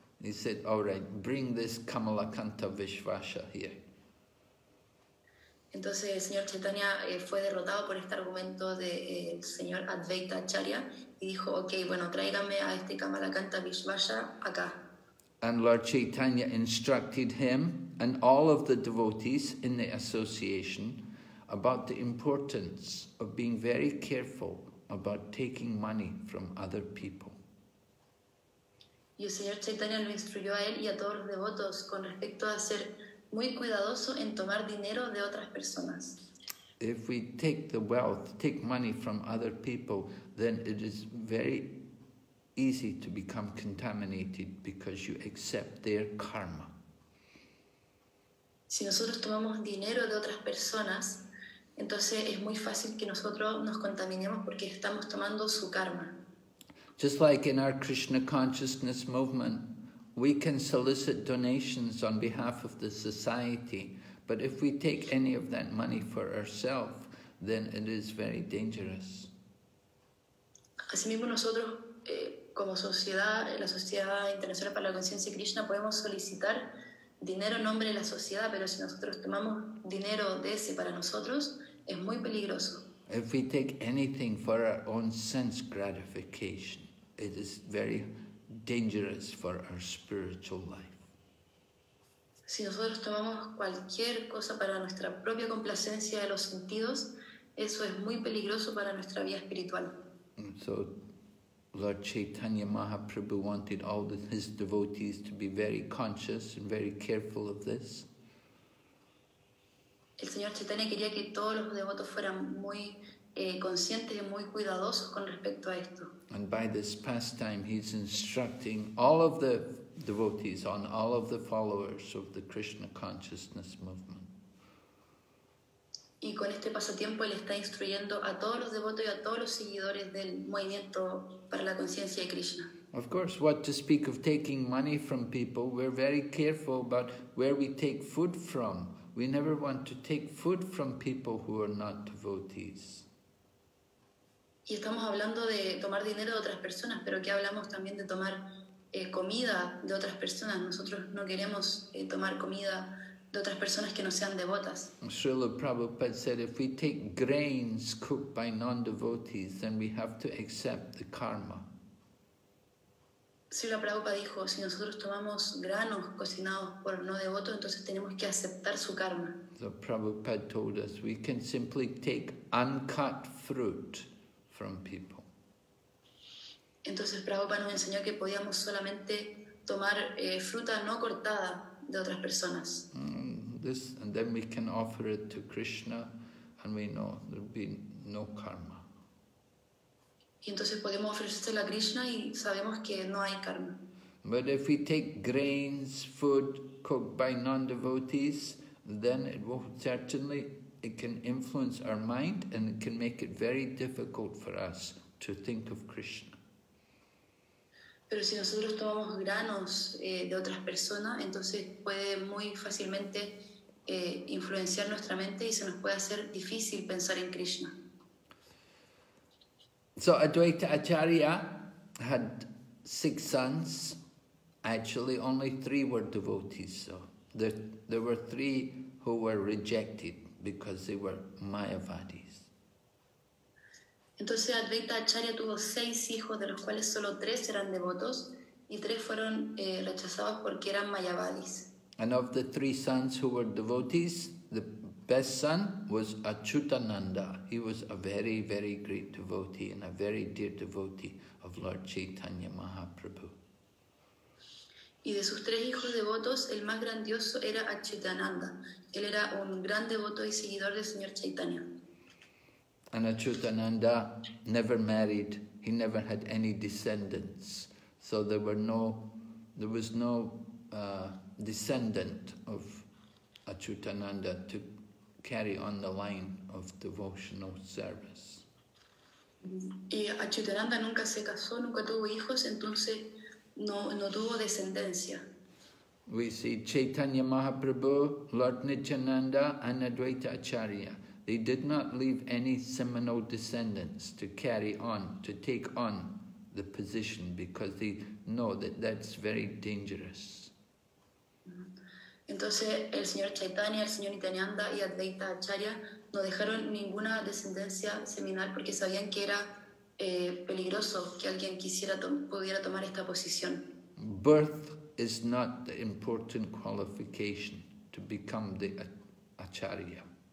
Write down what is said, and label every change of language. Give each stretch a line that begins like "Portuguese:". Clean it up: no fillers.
English: He said, all right, bring this Kamala Kanta Vishvasa here.
Spanish: Entonces el señor Chaitanya fue derrotado por este argumento del señor Advaita Acharya y dijo, okay, bueno, tráigame a este Kamala Kanta Vishvasa acá.
English: And Lord Chaitanya instructed him and all of the devotees in the association about the importance of being very careful about taking money from other people.
Spanish: Y el señor Chaitanya lo instruyó a él y a todos los devotos con respecto a ser muy cuidadoso en tomar dinero de otras personas.
English: If we take the wealth, take money from other people, then it is very easy to become contaminated because you accept their karma.
Spanish: Si nosotros tomamos dinero de otras personas, entonces es muy fácil que nosotros nos contaminemos porque estamos tomando su karma.
English: Just like in our Krishna consciousness movement, we can solicit donations on behalf of the society, but if we take any of that money for ourselves, then it is very dangerous.
Spanish: Asimismo nosotros como sociedad, la Sociedad Internacional para la Conciencia de Krishna, podemos solicitar dinero en nombre de la sociedad, pero si nosotros tomamos dinero de ese para nosotros, es muy peligroso.
English: If we take anything for our own sense gratification, it is very dangerous for our spiritual life.
Spanish: Si nosotros tomamos cualquier cosa para nuestra propia complacencia de los sentidos, eso es muy peligroso para nuestra vida espiritual.
English: So, Lord Chaitanya Mahaprabhu wanted all of his devotees to be very conscious and very careful of this.
Spanish: El señor Chaitanya quería que todos los devotos fueran muy conscientes y muy cuidadosos con respecto a esto.
English: And by this pastime, he's instructing all of the devotees on all of the followers of the Krishna consciousness movement.
Spanish: Y con este pasatiempo él está instruyendo a todos los devotos y a todos los seguidores del movimiento para la conciencia de Krishna.
English: Of course, what to speak of taking money from people, we're very careful about where we take food from. We never want to take food from people who are not devotees.
Spanish: Y estamos hablando de tomar dinero de otras personas, pero aquí hablamos también de tomar comida de otras personas. Nosotros no queremos tomar comida de otras personas que no sean devotas.
English: Srila Prabhupada said, if we take grains cooked by non-devotees, then we have to accept the karma.
Spanish: Srila Prabhupada dijo, si nosotros tomamos granos cocinados por no devotos, entonces tenemos que aceptar su karma.
English: So Prabhupada told us, we can simply take uncut fruit from people.
Spanish: Entonces Prabhupada nos enseñó que podíamos solamente tomar fruta no cortada de otras personas.
English: This, and then we can offer it to Krishna, and we know there will be no karma.
Spanish: Y entonces podemos ofrecérselo a Krishna y sabemos que no hay karma.
English: But if we take grains, food cooked by non-devotees, then it will certainly, it can influence our mind and it can make it very difficult for us to think of Krishna.
Spanish: Pero si nosotros tomamos granos de otras personas, entonces puede muy fácilmente influenciar nuestra mente y se nos puede hacer difícil pensar en Krishna.
English: So Advaita Acharya had 6 sons. Actually, only 3 were devotees. So there were 3 who were rejected because they were Mayavadis.
Spanish: Entonces Advaita Acharya tuvo 6 hijos, de los cuales solo 3 eran devotos y 3 fueron rechazados porque eran Mayavadis.
English: And of the 3 sons who were devotees, the best son was Achyutananda. He was a very, very great devotee and a very dear devotee of Lord Chaitanya Mahaprabhu.
Spanish: Y de sus 3 hijos devotos, el más grandioso era Achyutananda. Él era un gran devoto y seguidor del señor Chaitanya.
English: And Achyutananda never married. He never had any descendants. So there was no descendant of Achyutananda to carry on the line of devotional service.
Spanish: Y Achyutananda nunca se casó, nunca tuvo hijos, entonces no tuvo descendencia.
English: We see Chaitanya Mahaprabhu, Lord Nityananda, and Advaita Acharya. They did not leave any seminal descendants to carry on, to take on the position, because they know that that's very dangerous.
Spanish: Entonces el señor Chaitanya, el señor Nityananda y Advaita Acharya no dejaron ninguna descendencia seminal porque sabían que era peligroso que alguien pudiera tomar esta posición.
English: Birth is not the important qualification to become the Acharya.